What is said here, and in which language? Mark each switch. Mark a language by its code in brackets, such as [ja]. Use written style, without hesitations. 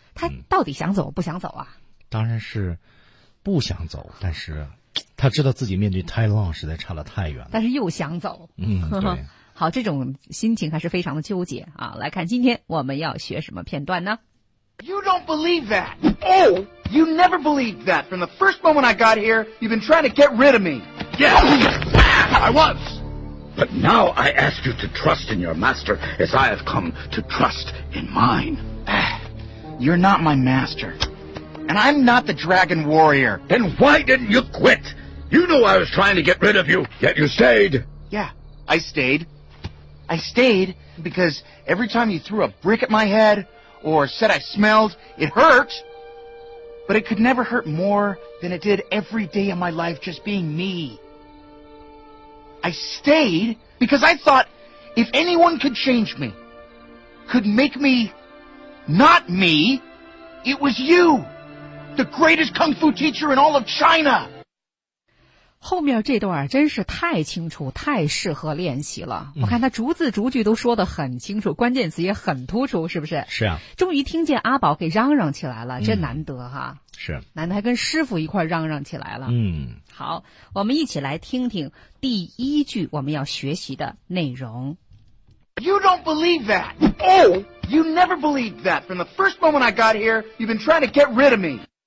[zh] 他到底想走不想走啊？当然是不想走，但是他知道自己面对 Tai Long 实在差了太远了，但是又想走。对，好，这种心情还是非常的纠结啊。来看今天我们要学什么片段呢？ [en] You don't believe that. Oh, you never believed that. From the first moment I got here, you've been trying to get rid of me. Yes, I was. But now I ask you to trust in your master as I have come to trust in mine. You're not my master. And I'm not the dragon warrior. Then why didn't you quit? You knew I was trying to get rid of you, yet you stayed. Yeah, I stayed. I stayed because every time you threw a brick at my head... or said I smelled, it hurt. But it could never hurt more than it did every day of my life just being me. I stayed because I thought if anyone could change me, could make me not me, it was you, the greatest kung fu teacher in all of China. [zh] 后面这段真是太清楚，太适合练习了。我看他逐字逐句都说得很清楚，关键词也很突出，是不是？是啊。终于听见阿宝给嚷嚷起来了，这难得哈。是。难得还跟师傅一块嚷嚷起来了。好，我们一起来听听第一句我们要学习的内容。 [en] You don't believe that. Oh, you never believed that. From the first moment I got here, you've been trying to get rid of me.